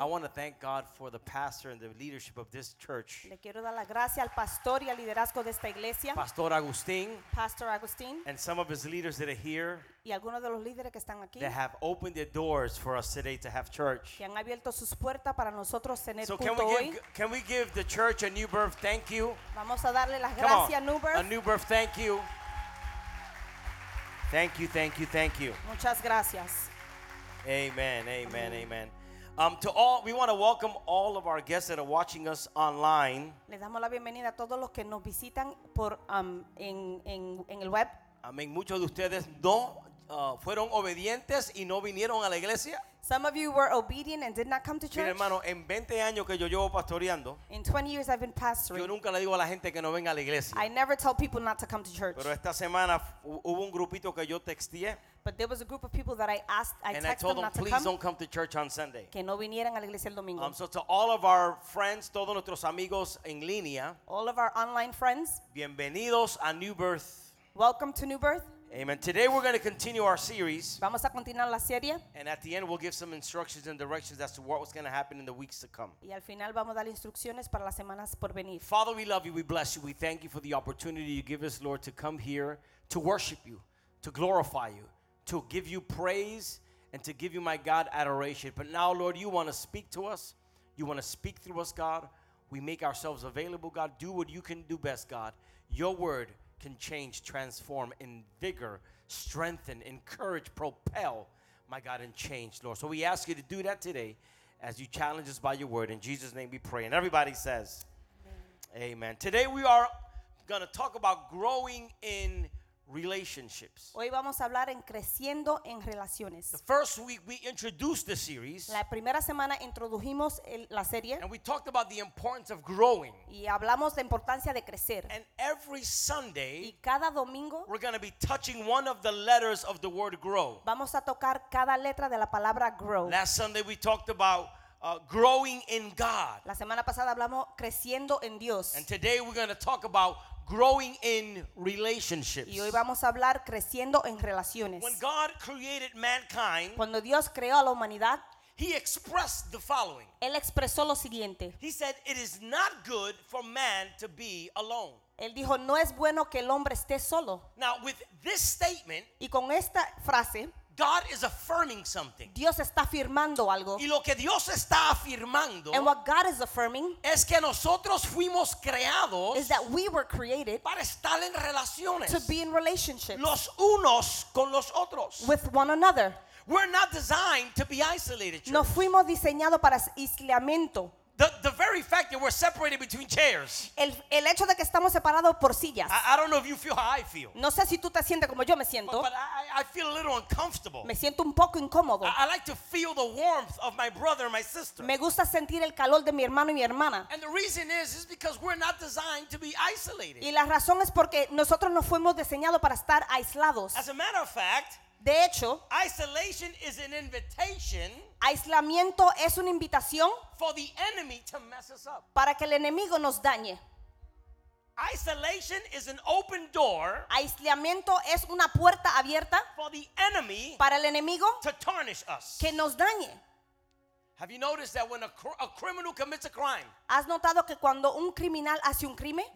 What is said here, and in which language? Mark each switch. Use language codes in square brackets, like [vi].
[en] I want to thank God for the pastor and the leadership of this church. [es] Le quiero dar la gracia al pastor y al liderazgo de esta iglesia. Pastor Agustín. Pastor Agustín. [en] And some of his leaders that are here. [es] Y algunos de los líderes que están aquí. [en] That have opened their doors for us today to have church. [es] Que han abierto sus puertas para nosotros tener [en] so [es] culto [en] can we give, [es] hoy. [en] Can we give the church a new birth thank you? [es] Vamos a darle las gracias a New Birth. [en] A new birth thank you. Thank you, thank you, thank you. [es] Muchas gracias. [en] Amen, amen, amen. To all, we want to welcome all of our guests that are watching us online. [es] Les damos la bienvenida a todos los que nos visitan por en el web. Amén. Muchos de ustedes no fueron obedientes y no vinieron a la iglesia. [en] Some of you were obedient and did not come to church. [es] Mi hermano, en 20 años que yo llevo pastoreando, [en] in 20 years I've been pastoring. [es] Yo nunca le digo a la gente que no venga a la iglesia. [en] I never tell people not to come to church. [es] Pero esta semana hubo un grupito que yo texteé. [en] But there was a group of people that I asked, I texted them not them, to come. And I told them, please don't come to church on Sunday. [es] Que no vinieran a la iglesia el domingo. [en] So to all of our friends, [es] todos nuestros amigos en línea, [en] all of our online friends, [es] bienvenidos a New Birth. [en] Welcome to New Birth. Amen. Today we're going to continue our series. [es] Vamos a continuar la serie. [en] And at the end we'll give some instructions and directions as to what was going to happen in the weeks to come. [es] Y al final vamos a dar instrucciones para las semanas por venir. [en] Father, we love you. We bless you. We thank you for the opportunity you give us, Lord, to come here to worship you, to glorify you, to give you praise, and to give you, my God, adoration. But now, Lord, you want to speak to us. You want to speak through us, God. We make ourselves available, God. Do what you can do best, God. Your word can change, transform, invigorate, strengthen, encourage, propel, my God, and change, Lord. So we ask you to do that today as you challenge us by your word. In Jesus' name we pray. And everybody says, amen. Amen. Today we are going to talk about growing in relationships. [es] Hoy vamos a hablar en creciendo en relaciones. [en] The first week we introduced the series. [es] La primera semana introdujimos la serie. [en] And we talked about the importance of growing. [es] Y hablamos de importancia de crecer. [en] And every Sunday. [es] Y cada domingo. [en] We're going to be touching one of the letters of the word grow. [es] Vamos a tocar cada letra de la palabra grow. [en] Last Sunday we talked about growing in God. [es] La semana pasada hablamos creciendo en Dios. [en] And today we're going to talk about growing in relationships. [es] Y hoy vamos a hablar creciendo en relaciones. [en] When God created mankind, [es] cuando Dios creó a la humanidad, [en] he expressed the following. [es] Él expresó lo siguiente. [en] He said, "It is not good for man to be alone." [es] Él dijo, "No es bueno que el hombre esté solo." [en] Now, with this statement, [es] y con esta frase, [en] God is affirming something. [es] Dios está afirmando algo. Y lo que Dios está afirmando, [en] and what God is affirming, [es] es que nosotros fuimos creados, [en] is that we were created, [es] para estar en relaciones, [en] to be in relationships, [es] los unos con los otros, [en] with one another. We're not designed to be isolated. [es] No fuimos diseñados para aislamiento. [en] The very fact that we're separated between chairs. [es] El hecho de que estamos separados por sillas. [en] I don't know if you feel how I feel. [es] No sé si tú te sientes como yo me siento. [en] But I feel a little uncomfortable. [es] Me siento un poco incómodo. [en] I like to feel the warmth of my brother and my sister. [es] Me gusta sentir el calor de mi hermano y mi hermana. [en] And the reason is because we're not designed to be isolated. [es] Y la razón es porque nosotros no fuimos diseñados para estar aislados. [en] As a matter of fact, [es] de hecho, [en] isolation is an invitation. [es] Aislamiento es una invitación [en] for the enemy to mess us up. [es] Para que el enemigo nos dañe. [en] Isolation is an open door. [es] Aislamiento es una puerta abierta [en] for the enemy [es] para el enemigo [en] to tarnish us. [es] Que nos dañe. [en] Have you noticed that when a criminal commits a crime? [es] ¿Has notado que cuando un criminal hace un crimen?